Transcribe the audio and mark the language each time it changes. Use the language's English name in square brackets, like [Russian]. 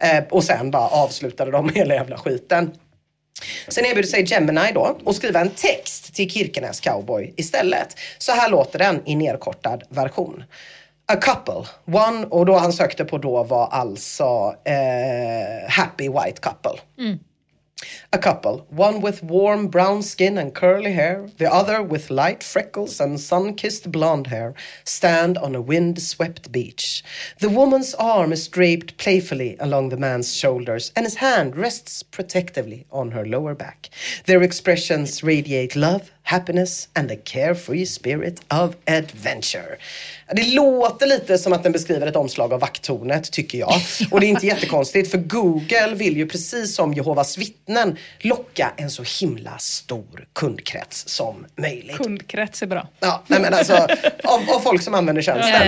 [Swedish] Och sen bara avslutade de hela jävla skiten. Sen erbjuder sig Gemini då och skriva en text till Kirkenes Cowboy istället. Så här låter den i nedkortad version: [English] a couple, one, [Swedish] och då han sökte på då var alltså [English] happy white couple. A couple, one with warm brown skin and curly hair, the other with light freckles and sun-kissed blonde hair, stand on a wind-swept beach. The woman's arm is draped playfully along the man's shoulders, and his hand rests protectively on her lower back. Their expressions radiate love, happiness and the carefree spirit of adventure. [Swedish] Det låter lite som att den beskriver ett omslag av Vakttornet, tycker jag. Och det är inte jättekonstigt, för Google vill ju precis som Jehovas vittnen locka en så himla stor kundkrets som möjligt. Kundkrets är bra. Ja, nej men alltså, av folk som använder tjänsten.